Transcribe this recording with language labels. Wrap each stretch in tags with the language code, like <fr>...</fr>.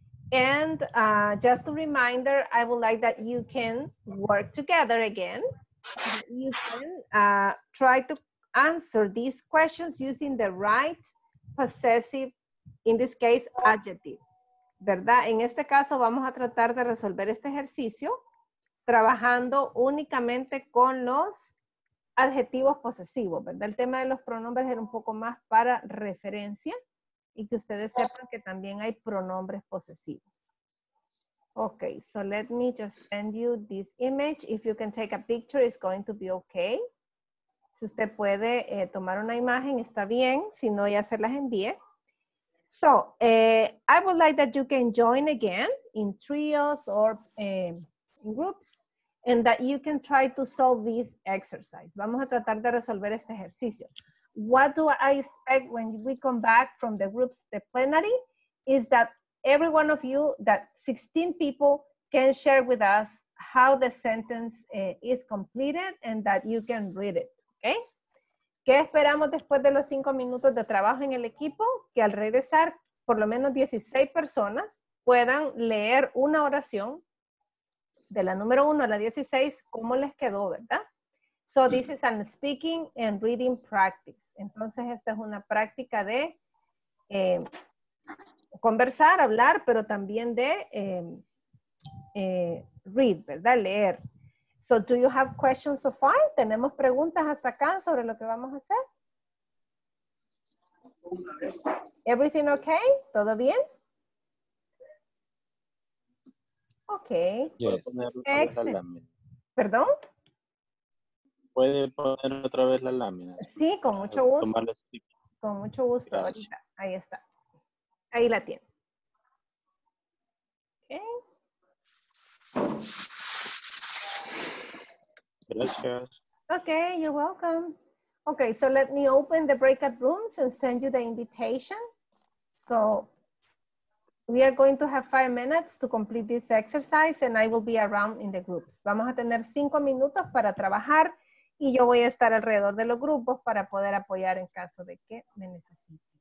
<en>And just a reminder, I would like that you can work together again you can try to answer these questions using the right possessive, in this case, adjective.</en> <es>¿Verdad? En este caso vamos a tratar de resolver este ejercicio trabajando únicamente con los adjetivos posesivos, ¿verdad? El tema de los pronombres era un poco más para referencia y que ustedes sepan que también hay pronombres posesivos.</es> <en>Okay, so let me just send you this image. If you can take a picture, it's going to be okay.</en> <es>Si usted puede tomar una imagen, está bien. Si no, ya se las envíe.</es> <en>So, I would like that you can join again in trios or in groups and that you can try to solve this exercise.</en> <es>Vamos a tratar de resolver este ejercicio.</es> <en>What do I expect when we come back from the groups, the plenary, is that every one of you, that 16 people can share with us how the sentence is completed and that you can read it, okay?</en> <es>¿Qué esperamos después de los 5 minutos de trabajo en el equipo? Que al regresar, por lo menos 16 personas puedan leer una oración de la número 1 a la 16, ¿cómo les quedó, verdad?</es> <en>So this is an speaking and reading practice.</en> <es>Entonces esta es una práctica de conversar, hablar, pero también de read, ¿verdad? Leer.</es> <en>So do you have questions so far?</en> <es>¿Tenemos preguntas hasta acá sobre lo que vamos a hacer?</es> <en>Everything okay?</en> <es>¿Todo bien?</es> <en>Okay. Yes. Excellent.</en> <es>¿Perdón? ¿Puede poner otra vez la lámina? Sí, con mucho gusto. Con mucho gusto. Gracias. Ahí está. Ahí la tiene.</es> <en>Okay.</en> <es>Gracias.</es> <en>Okay, you're welcome. Okay, so let me open the breakout rooms and send you the invitation. So we are going to have 5 minutes to complete this exercise and I will be around in the groups.</en> <es>Vamos a tener 5 minutos para trabajar y yo voy a estar alrededor de los grupos para poder apoyar en caso de que me necesite.</es>